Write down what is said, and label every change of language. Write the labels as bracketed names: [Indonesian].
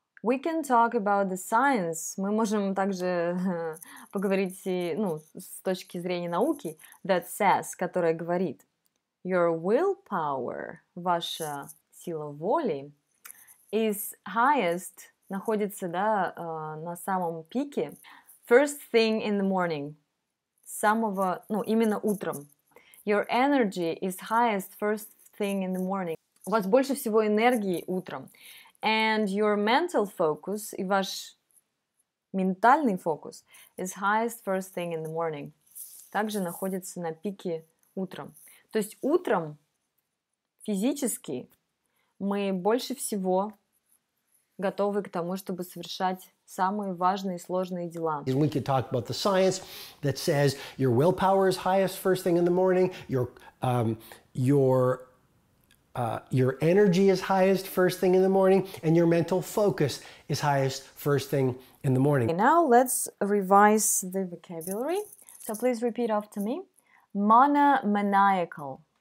[Russian] We can talk about the science. Мы можем также поговорить, ну, с точки зрения науки, that says, которая говорит, your willpower, ваша сила воли, is highest, находится, да, на самом пике, first thing in the morning, самого, ну, именно утром. [English] Your energy is highest first thing in the morning. [Russian] У вас больше всего энергии утром. [English] And your mental focus, и ваш ментальный фокус, is highest first thing in the morning. [Russian] Также находится на пике утром. То есть утром физически мы больше всего готовы к тому, чтобы совершать самые важные и сложные дела. [English] And we could talk about the science that says your willpower is highest first thing in the morning, your energy is highest first thing in the morning, and your mental focus is highest first thing in the morning. Okay, now let's revise the vocabulary. So please repeat after me. Monomaniacal.